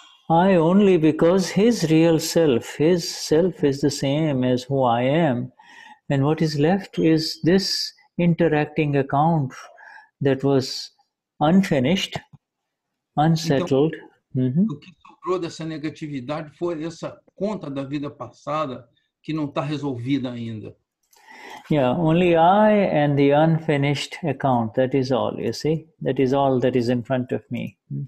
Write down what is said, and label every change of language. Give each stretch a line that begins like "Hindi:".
English: I only, because his self is the same as who I am, and what is left is this interacting account that was unfinished, unsettled.
Portuguese: O que sobrou dessa negatividade foi essa conta da vida passada que não está resolvida ainda.
English: Yeah, only I and the unfinished account, that is all, you see? That is all that is in front of me.